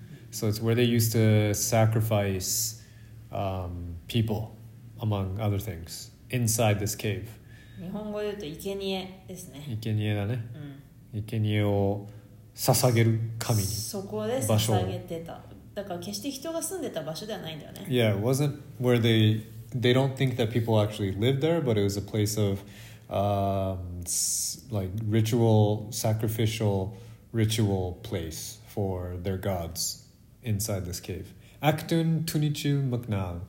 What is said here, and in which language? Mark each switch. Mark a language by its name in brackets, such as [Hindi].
[English] So it's where they used to sacrifice、people. Among other things, inside this cave. [Japanese] 日本語で言うと生贄ですね。生贄だね。うん、生贄を捧げる神に。そこで捧げてた。だから決して人が住んでた場所ではないんだよね。 [English] Yeah, it wasn't where they don't think that people actually lived there, but it was a place of、like ritual, sacrificial ritual place for their gods inside this cave. Actun Tunichu Magnal.